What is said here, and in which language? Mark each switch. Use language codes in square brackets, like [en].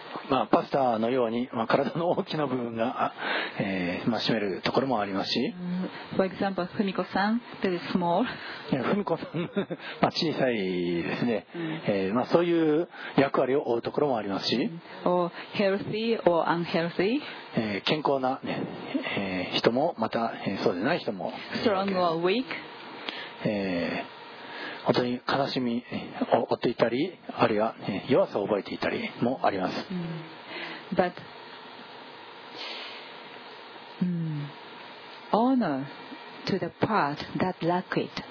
[ja] まあ、パスタのように、まあ、体の大きな部分が、まあ、占めるところもありますし、 [en] For example, フミコさん、very small. [ja] フミコさん、まあ、小さいですね、まあ、そういう役割を負うところもありますし、 [en] Or healthy or unhealthy. [ja] 健康な、ね人も、また、そうでない人も、 [en] Strong or weak. [ja] 本当に悲しみを負っていたり、あるいは弱さを覚えていたりもあります。 [en] But, honor to the part that lack it.